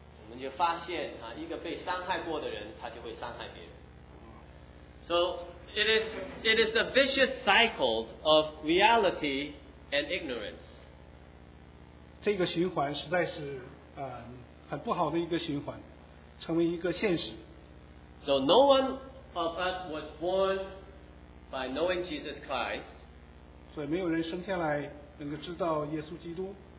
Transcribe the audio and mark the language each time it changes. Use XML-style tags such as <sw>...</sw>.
<zh>我们就发现一个被伤害过的人他就会伤害别人。</zh> <en>So it is a vicious cycle of reality and ignorance.</en> <zh>这个循环实在是很不好的一个循环，成为一个现实。</zh> <en>So no one of us was born by knowing Jesus Christ.</en> <zh>所以没有人生下来能够知道耶稣基督。</zh>